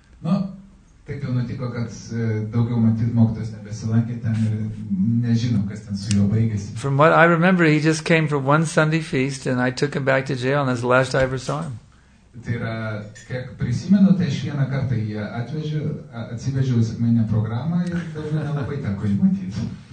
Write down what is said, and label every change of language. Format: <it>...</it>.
<lt>No, taip jau nutiko, kad daugiau matyt mokytojas nebesilankė ten ir nežino, kas ten su juo baigėsi.</lt> <en>From what I remember, he just came for one Sunday feast and I took him back to jail, and that's the last I ever saw him.</en> <lt>Tai yra, kiek prisimenu, tai aš vieną kartą jį atsivežiau į sekmadienio programą ir daugiau nelabai teko jį matyti.</lt>